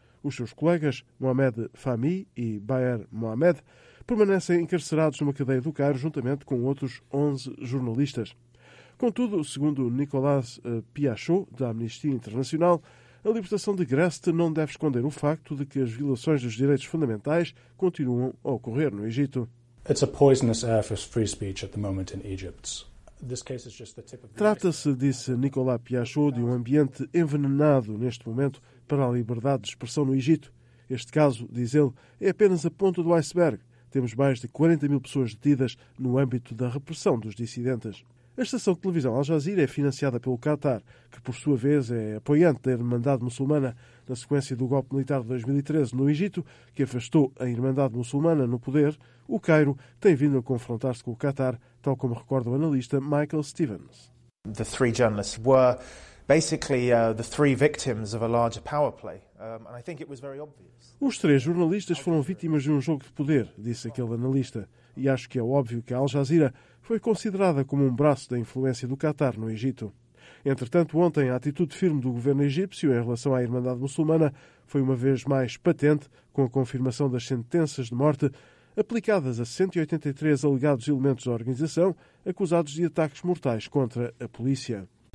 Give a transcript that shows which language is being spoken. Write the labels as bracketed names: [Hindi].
[Portuguese] Os seus colegas, Mohamed Fahmy e Bayer Mohamed, permanecem encarcerados numa cadeia do Cairo juntamente com outros 11 jornalistas. Contudo, segundo Nicolas Piachot, da Amnistia Internacional, a libertação de Grest não deve esconder o facto de que as violações dos direitos fundamentais continuam a ocorrer no Egito. [English] It's a poisonous air for free speech at the moment in Egypt. [Portuguese] Trata-se, disse Nicolas Piachot, de um ambiente envenenado neste momento para a liberdade de expressão no Egito. Este caso, diz ele, é apenas a ponta do iceberg. Temos mais de 40 mil pessoas detidas no âmbito da repressão dos dissidentes. A estação de televisão Al Jazeera é financiada pelo Qatar, que por sua vez é apoiante da Irmandade Muçulmana. Na sequência do golpe militar de 2013 no Egito, que afastou a Irmandade Muçulmana no poder, o Cairo tem vindo a confrontar-se com o Qatar, tal como recorda o analista Michael Stevens. [English] The three journalists were basically the three victims of a larger power play. And I think it was very obvious. [Portuguese] Os três jornalistas foram vítimas de um jogo de poder, disse aquele analista. E acho que é óbvio que a Al Jazeera foi considerada como um braço da influência do Qatar no Egito. Entretanto, ontem, a atitude firme do governo egípcio em relação à Irmandade Muçulmana foi uma vez mais patente, com a confirmação das sentenças de morte aplicadas a 183 alegados elementos da organização acusados de ataques mortais contra a polícia.